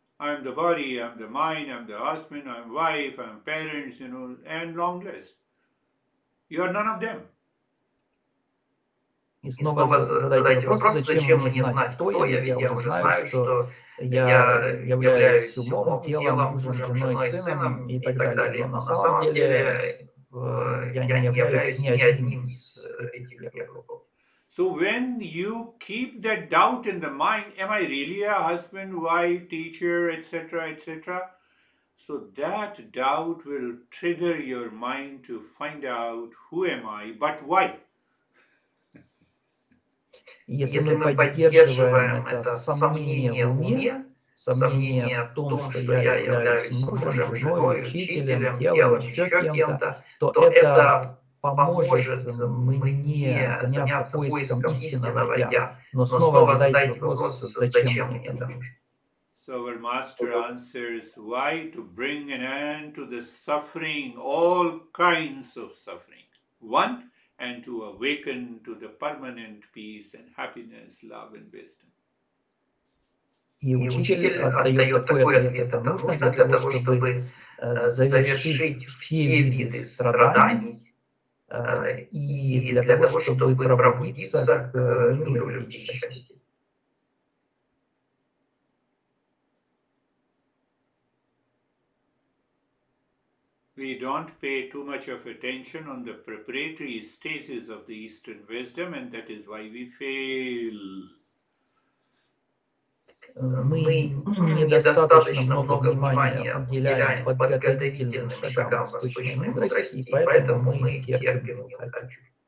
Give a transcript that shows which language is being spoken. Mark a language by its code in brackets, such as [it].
[en] I'm the body, I'm the mind, I'm the husband, I'm wife, I'm parents, you know, and long list. You are none of them. [ru] И снова задайте вопрос, зачем мне знать, кто я? Ведь я уже знаю, что я являюсь умом, телом, мужем, женой, сыном и так далее. Но на самом деле я не являюсь ни одним из этих вопросов. [en] So when you keep that doubt in the mind, am I really a husband, wife, teacher, etc., etc., so that doubt will trigger your mind to find out who am I, but why? [ru] Если мы поддерживаем это сомнение в уме, сомнение в том, что я являюсь мужем, женой, учителем, телом, еще кем-то, то это поможет мне заняться поиском истинного я. Но снова задайте вопрос, зачем мне это нужно. [en] So our master answers, why? To bring an end to the suffering, all kinds of suffering. One, and to awaken to the permanent peace and happiness, love and wisdom. [ru] И учитель отдает такой ответ, это нужно для того, чтобы завершить все виды страданий, и для того, чтобы пробудиться к миру любви и счастья. [en] We don't pay too much of attention on the preparatory stages of the Eastern wisdom, and that is why we fail. [ru] Мы недостаточно много внимания уделяем подготовительным шагам восточной мудрости, и поэтому мы терпим неудачу.